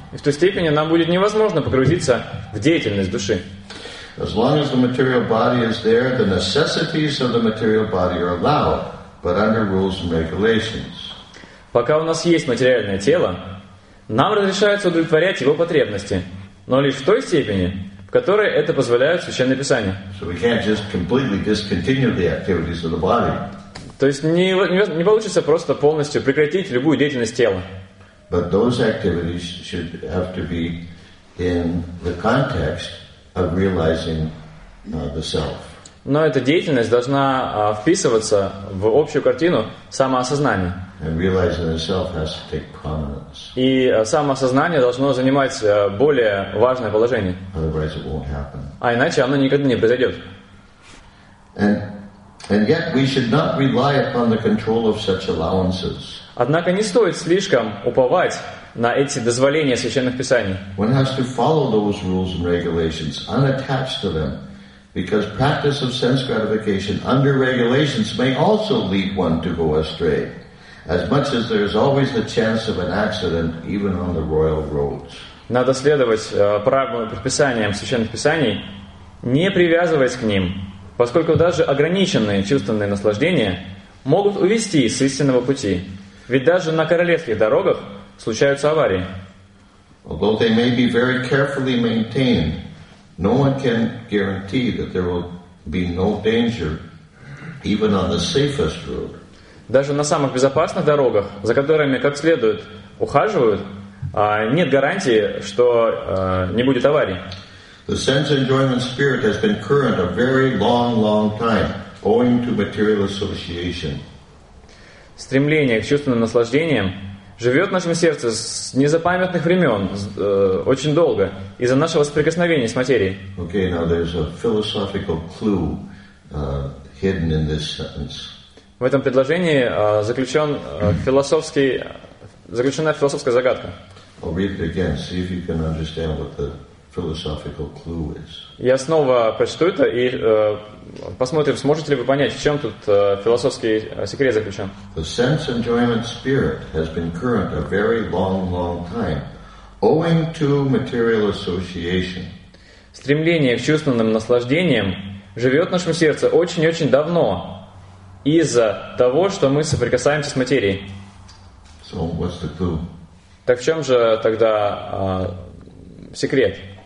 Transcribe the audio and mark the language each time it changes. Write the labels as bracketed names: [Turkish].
[Russian] И в той степени нам будет невозможно погрузиться в деятельность души. [English] As long as the material body is there, the necessities of the material body are allowed, but under rules and regulations. [Russian] Пока у нас есть материальное тело, нам разрешается удовлетворять его потребности, но лишь в той степени, в которой это позволяют Священные Писания. [English] So we can't just completely discontinue the activities of the body. [Russian] То есть не получится просто полностью прекратить любую деятельность тела. [English] But those activities should have to be in the context of realizing the self. [Russian] Но эта деятельность должна вписываться в общую картину самоосознания. [English] And realizing the self has to take prominence. [Russian] И самоосознание должно занимать более важное положение. [English] Otherwise it won't happen. [Russian] А иначе оно никогда не произойдет. [English] And yet we should not rely upon the control of such allowances. [Russian] Однако не стоит слишком уповать на эти дозволения священных писаний. [English] One has to follow those rules and regulations, unattached to them, because practice of sense gratification under regulations may also lead one to go astray, as much as there is always the chance of an accident even on the royal roads. [Russian] Надо следовать правилам и предписаниям священных писаний, не привязываясь к ним, поскольку даже ограниченные чувственные наслаждения могут увести с истинного пути. Ведь даже на королевских дорогах случаются аварии. [English] Although they may be very carefully maintained, no one can guarantee that there will be no danger even on the safest road. [Russian] Даже на самых безопасных дорогах, за которыми как следует ухаживают, нет гарантии, что не будет аварий. [English] The sense enjoyment spirit has been current a very long, long time owing to material association. [Russian] Стремление к чувственным наслаждениям живет в нашем сердце с незапамятных времен, очень долго, из-за нашего соприкосновения с материей. [English] Okay, now there's a philosophical clue hidden in this sentence. [Russian] В этом предложении заключена философская загадка. [English] I'll read it again, see if you can understand what the philosophical clue is. [Russian] Я снова прочту это и посмотрим, сможете ли вы понять, в чем тут философский секрет заключен. [English] The sense enjoyment spirit has been current a very long, long time, owing to material association. [Russian] Стремление к чувственным наслаждениям живет в нашем сердце очень-очень давно из-за того, что мы соприкасаемся с материей. [English] So what's the clue? [Russian] Так в чем же тогда секрет?